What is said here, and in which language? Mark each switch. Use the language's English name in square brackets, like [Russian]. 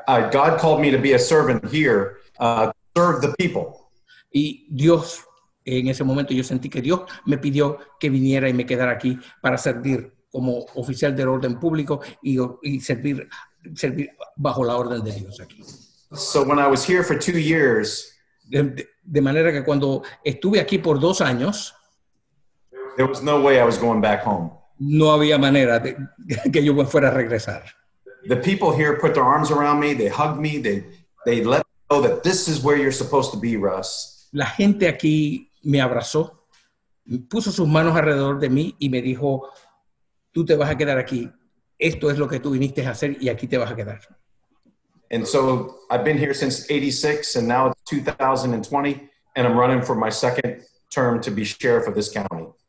[English] God called me to be a servant here, serve the people. [Spanish] Y Dios, en ese momento yo sentí que Dios me pidió que viniera y me quedara aquí para servir como oficial del orden público y servir bajo la orden de Dios aquí. [English] So when I was here for 2 years, [Spanish] de manera que cuando estuve aquí por 2 años, [English] there was no way I was going back home. [Spanish] No había manera de que yo fuera a regresar. [English] The people here put their arms around me, they hugged me, they let me know that this is where you're supposed to be, Russ. [Spanish] La gente aquí me abrazó, puso sus manos alrededor de mí y me dijo, tú te vas a quedar aquí, esto es lo que tú viniste a hacer y aquí te vas a quedar. [English] And so I've been here since 86 and now it's 2020 and I'm running for my second term to be sheriff of this county.